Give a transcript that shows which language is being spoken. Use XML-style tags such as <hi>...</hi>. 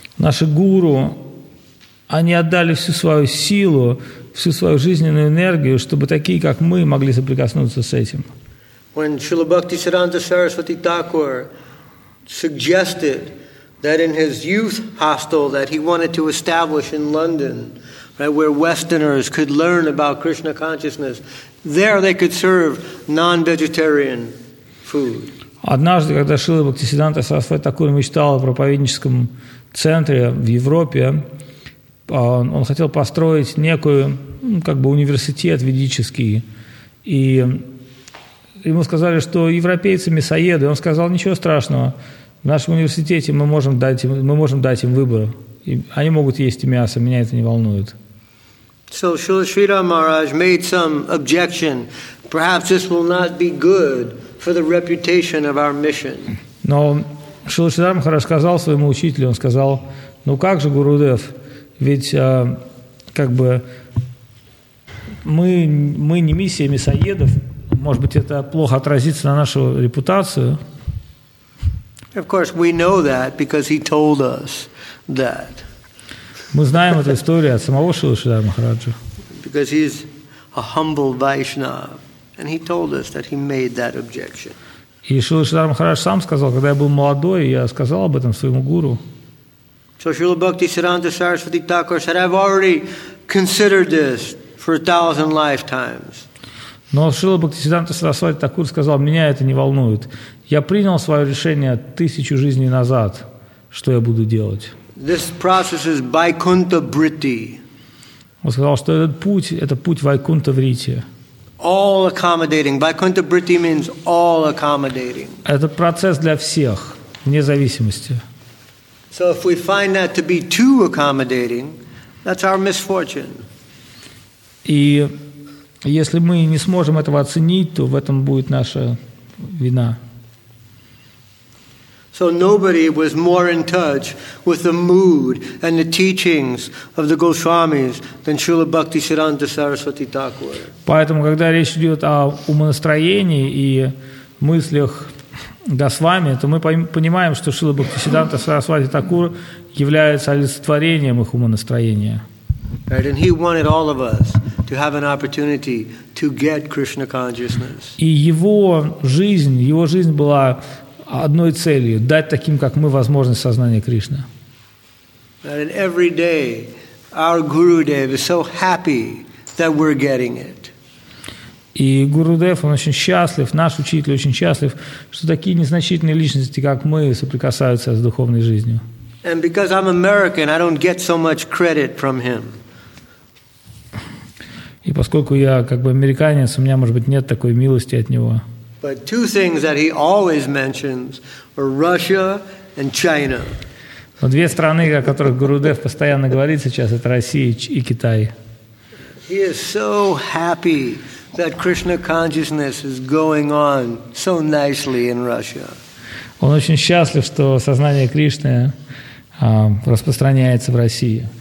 <ru>Наши гуру, они отдали всю свою силу, всю свою жизненную энергию, чтобы такие, как мы, могли соприкоснуться с этим.</ru> <en>When Srila Bhaktisiddhanta Saraswati Thakur suggested that in his youth hostel that he wanted to establish in London, right, where Westerners could learn about Krishna consciousness, there they could serve non-vegetarian food.</en> <ru>Однажды, когда Шрила Бхактисиддханта Сарасвати Такур мечтал о проповедническом центре в Европе, он хотел построить некую, как бы, университет ведический, и ему сказали, что европейцы мясоеды. Он сказал: ничего страшного, в нашем университете мы можем дать им выбор, и они могут есть мясо, меня это не волнует.</ru> <en>So Srila Sridhar Maharaj made some objection. Perhaps this will not be good for the reputation of our mission.</en> <ru>Но Шрила Шридхар Махарадж сказал своему учителю, он сказал: ну как же, Гурудев, ведь как бы мы не миссия мясоедов, может быть, это плохо отразится на нашу репутацию.</ru> <en>Of course, we know that because he told us that.</en> <ru>Мы знаем эту историю от самого Шрила Шридхара Махараджа.</ru> <en>Because he's a humble Vaishnava. And he told us that he made that objection.</en> <ru>И Шрила Шридхар Махарадж сам сказал, когда я был молодой, я сказал об этом своему гуру.</ru> <en>So Srila Bhakti Siddhanta Saraswati Thakur said, I've already considered this for 1,000 lifetimes.</en> <ru>Но Шрила Бхакти Сиддханта Сарасвати Такур сказал, меня это не волнует. Я принял свое решение 1,000 жизней назад, что я буду делать.</ru> <en>This process is Vaikuntha Vritti.</en> <ru>Он сказал, что этот путь, это путь Вайкунта Вритти.</ru> <en>All accommodating. Vaikuntha Vritti means all accommodating.</en> <ru>Это процесс для всех, вне зависимости.</ru> <en>So if we find that to be too accommodating, that's our misfortune.</en> <ru>И если мы не сможем этого оценить, то в этом будет наша вина.</ru> <en>So nobody was more in touch with the mood and the teachings of the Goswamis than Srila Bhakti Siddhanta Saraswati Thakur.</en> <ru>Поэтому, когда речь идет о умонастроении и мыслях Госвами, то мы понимаем, что Шрила Бхакти Сиддханта Сарасвати Такур является олицетворением их умонастроения.</ru> <en>Right, and he wanted all of us to have an opportunity to get Krishna consciousness.</en> <ru>И его жизнь была одной целью – дать таким, как мы, возможность сознания Кришны.</ru> <en>Right, and every day our Gurudev is so happy that we're getting it.</en> <ru>И Гурудев, он очень счастлив, наш учитель очень счастлив, что такие незначительные личности, как мы, соприкасаются с духовной жизнью.</ru> <en>And because I'm American, I don't get so much credit from him.</en> <ru>И поскольку я как бы американец, у меня, может быть, нет такой милости от него.</ru> <en>But two things that he always mentions are Russia and China.</en> <ru>Но две страны, о которых Гурудев постоянно говорит сейчас, это Россия и Китай.</ru> <en>He is so happy that Krishna consciousness is going on so nicely in Russia.</en> <ru>Он очень счастлив, что сознание Кришны распространяется в России.</ru>